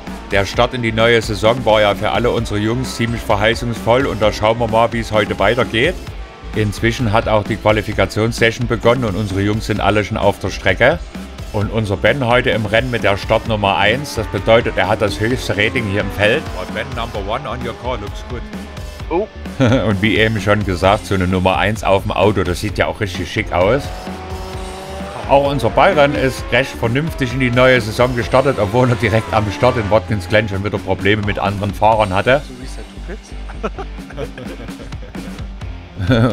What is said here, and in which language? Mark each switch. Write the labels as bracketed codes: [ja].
[de] Der Start in die neue Saison war ja für alle unsere Jungs ziemlich verheißungsvoll und da schauen wir mal, wie es heute weitergeht. Inzwischen hat auch die Qualifikationssession begonnen und unsere Jungs sind alle schon auf der Strecke. Und unser Ben heute im Rennen mit der Startnummer 1, das bedeutet, er hat das höchste Rating hier im Feld. Und [en] Ben, number one on your car looks good. Oh. [de] Und wie eben schon gesagt, so eine Nummer 1 auf dem Auto, das sieht ja auch richtig schick aus. Auch unser Byron ist recht vernünftig in die neue Saison gestartet, obwohl er direkt am Start in Watkins Glen schon wieder Probleme mit anderen Fahrern hatte. So wie Set to Pits.